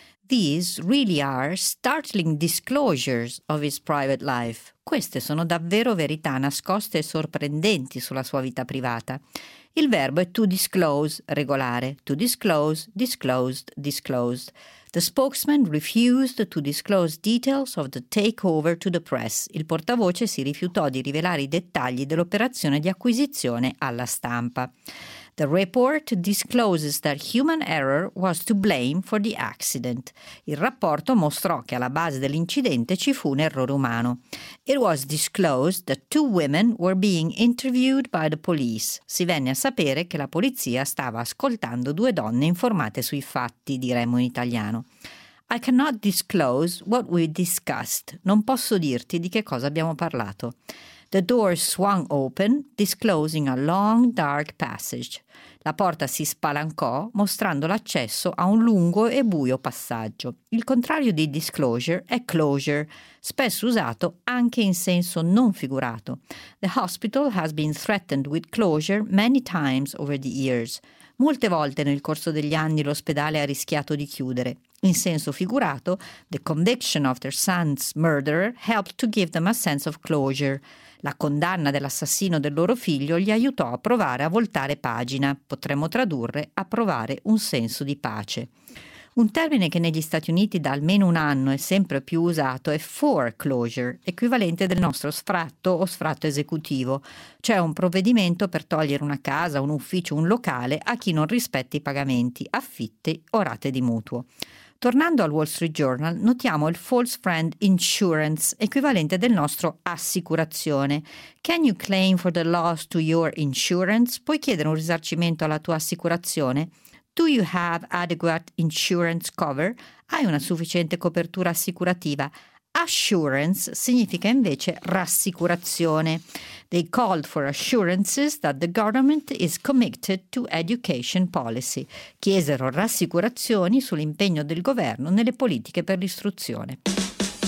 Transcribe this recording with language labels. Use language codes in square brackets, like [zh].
[en] These really are startling disclosures of his private life. [it] Queste sono davvero verità nascoste e sorprendenti sulla sua vita privata. Il verbo è to disclose, regolare. To disclose, disclosed, disclosed. [en] The spokesman refused to disclose details of the takeover to the press. [it] Il portavoce si rifiutò di rivelare i dettagli dell'operazione di acquisizione alla stampa. [en] The report discloses that human error was to blame for the accident. [it] Il rapporto mostrò che alla base dell'incidente ci fu un errore umano. [en] It was disclosed that two women were being interviewed by the police. [it] Si venne a sapere che la polizia stava ascoltando due donne informate sui fatti, diremmo in italiano. [en] I cannot disclose what we discussed. [it] Non posso dirti di che cosa abbiamo parlato. [en] The door swung open, disclosing a long, dark passage. [it] La porta si spalancò, mostrando l'accesso a un lungo e buio passaggio. Il contrario di disclosure è closure, spesso usato anche in senso non figurato. [en] The hospital has been threatened with closure many times over the years. [it] Molte volte nel corso degli anni l'ospedale ha rischiato di chiudere. In senso figurato, [en] the conviction of their son's murderer helped to give them a sense of closure. [it] La condanna dell'assassino del loro figlio gli aiutò a provare a voltare pagina. Potremmo tradurre a provare un senso di pace. Un termine che negli Stati Uniti da almeno un anno è sempre più usato è foreclosure, equivalente del nostro sfratto o sfratto esecutivo, cioè un provvedimento per togliere una casa, un ufficio, un locale a chi non rispetti i pagamenti, affitti o rate di mutuo. Tornando al Wall Street Journal, notiamo il false friend insurance, equivalente del nostro assicurazione. [en] Can you claim for the loss to your insurance? [it] Puoi chiedere un risarcimento alla tua assicurazione? [en] Do you have adequate insurance cover? [it] Hai una sufficiente copertura assicurativa? Assurance significa invece rassicurazione. [en] They called for assurances that the government is committed to education policy. [it] Chiesero rassicurazioni sull'impegno del governo nelle politiche per l'istruzione.